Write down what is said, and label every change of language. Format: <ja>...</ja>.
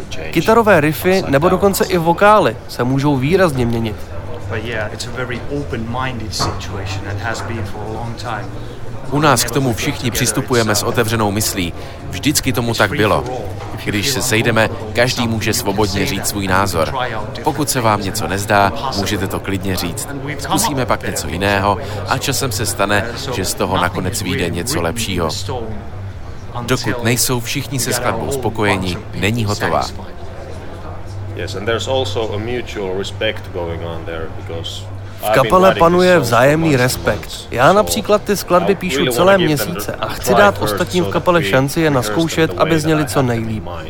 <cs>Kytarové riffy nebo dokonce i vokály se můžou výrazně měnit.</cs> <en>But yeah, it's a very open-minded situation and has been for a long time.</en> <cs>U nás k tomu všichni přistupujeme s otevřenou myslí. Vždycky tomu tak bylo. Když se sejdeme, každý může svobodně říct svůj názor. Pokud se vám něco nezdá, můžete to klidně říct. Zkusíme pak něco jiného a časem se stane, že z toho nakonec vyjde něco lepšího. Dokud nejsou všichni se skladbou spokojeni, není hotová.</cs> <en>Yes, and there's also a mutual respect going on there because</en> <cs>v kapele panuje vzájemný respekt. Já například ty skladby píšu celé měsíce a chci dát ostatním v kapele šanci je naskoušet, aby zněli co nejlíp.</cs>